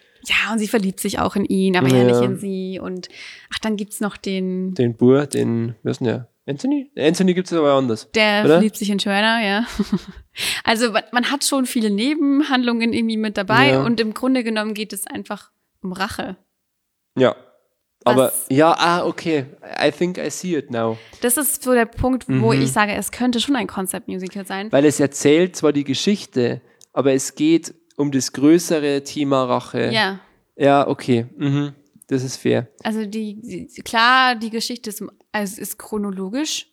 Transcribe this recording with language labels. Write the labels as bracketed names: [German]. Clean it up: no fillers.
[German] Ja, und sie verliebt sich auch in ihn, aber ja nicht in sie. Und ach, dann gibt's noch den... Den Bur, den müssen ja... Anthony gibt es aber anders. Der verliebt sich in Joanna, ja. Also man hat schon viele Nebenhandlungen irgendwie mit dabei und im Grunde genommen geht es einfach um Rache. Ja, Aber ja, [English] ah, okay, I think I see it now. [German] Das ist so der Punkt, wo ich sage, es könnte schon ein Concept-Musical sein. Weil es erzählt zwar die Geschichte, aber es geht um das größere Thema Rache. Ja. Ja, okay, das ist fair. Also die Geschichte ist, also ist chronologisch.